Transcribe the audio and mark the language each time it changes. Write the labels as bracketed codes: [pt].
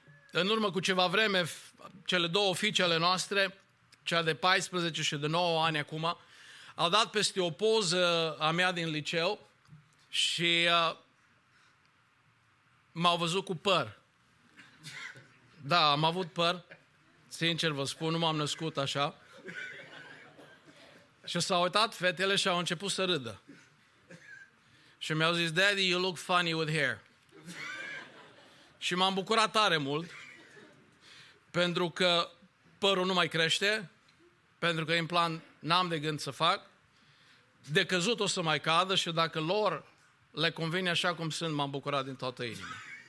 [ro] În urmă cu ceva vreme, cele două fiice ale noastre, cea de 14 și de 9 ani acum, au dat peste o poză a mea din liceu și m-au văzut cu păr. Da, am avut păr, sincer vă spun, nu m-am născut așa. Și s-au uitat fetele și au început să râdă. Și mi-au zis, [en] Daddy, you look funny with hair. [ro] Și m-am bucurat tare mult, pentru că părul nu mai crește, pentru că implant n-am de gând să fac, de căzut o să mai cadă și dacă lor le convine așa cum sunt, m-am bucurat din toată inima.